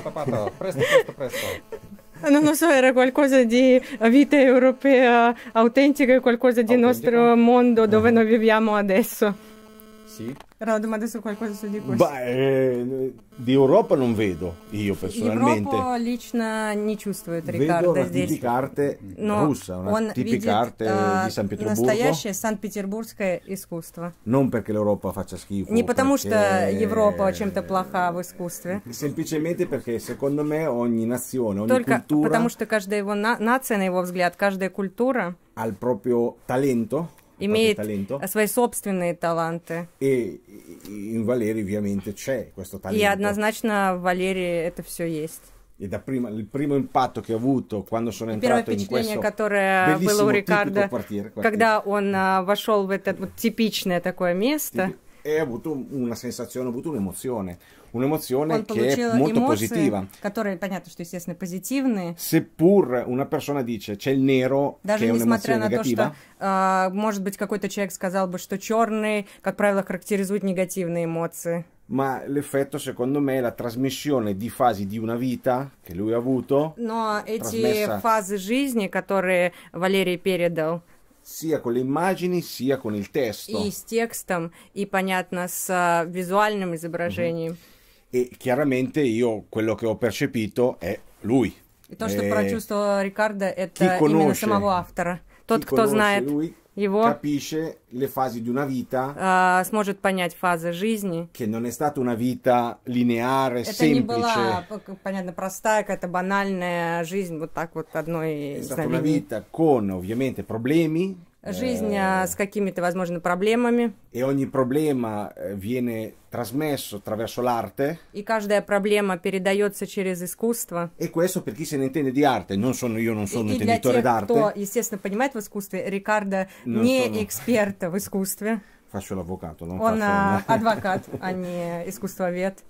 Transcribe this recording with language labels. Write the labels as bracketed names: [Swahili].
[Italian] Non lo so, era qualcosa di vita europea autentica, qualcosa di nostro mondo dove noi viviamo adesso. Era la domanda su qualcosa su di questo. Beh, di Europa non vedo, io personalmente. [Russian] Europa, лично, не чувствует Рикардо здесь. [Italian] Vedo una tipica arte russa, una tipica arte di San Pietroburgo. [Russian] Настоящее санкт-петербургское искусство. [Italian] Non perché l'Europa faccia schifo. [Russian] Не потому, что Европа чем-то плоха в искусстве. [Italian] Semplicemente perché, secondo me, ogni nazione, ogni [Russian] Только [Italian] cultura... [Russian] Только потому, что каждая его нация, на его взгляд, каждая культура... [Italian] Al proprio talento. [Russian] Имеет свои собственные таланты. И в Валерии, [Italian] ovviamente, c'è questo talento. [Russian] И однозначно в Валерии это все есть. [Italian] E da prima, il primo impatto che ho avuto quando sono entrato in questo [Russian] впечатление, которое было у Рикардо, когда он вошел в это вот типичное такое место. [Italian] E ho avuto una sensazione, ho avuto un'emozione. Un'emozione che è molto positiva. [Russian] Которые, понятно, что, естественно, позитивные. [Italian] Seppur una persona dice, c'è il nero, [Russian] Даже [Italian] che è un'emozione negativa. [Russian] Даже несмотря на то, что, может быть, какой-то человек сказал бы, что черный, как правило, характеризует негативные эмоции. [Italian] Ma l'effetto, secondo me, è la trasmissione di fasi di una vita che lui ha avuto. [Russian] Но эти фазы жизни, которые Валерий передал, [Italian] sia con le immagini sia con il testo. [Russian] И с текстом, и понятно с визуальным изображением. [Italian] E chiaramente io quello che ho percepito è lui. [Russian] И то, что прочувствовал Рикардо, это именно самого автора. Тот, кто знает [Italian] lui, [Russian] его, [Italian] capisce le fasi di una vita. [Russian] Сможет понять фазы жизни. [Italian] Che non è stata una vita lineare, [Russian] это [Italian] semplice. [Russian] Не была, понятно, простая, какая-то банальная жизнь, вот так вот одной. [Italian] È stata una vita con, ovviamente, problemi. [Russian] Жизнь с какими-то, возможно, проблемами. [Italian] E ogni problema viene trasmesso attraverso l'arte. [Russian] И каждая проблема передается через искусство. [Italian] E questo per chi se ne intende di arte, non sono io, non sono intenditore d'arte. [Russian] И для тех, кто, естественно, понимает в искусстве, Рикардо не эксперт в искусстве. [Italian] Faccio l'avvocato, non faccio. [Russian] Он адвокат, а не искусствовед.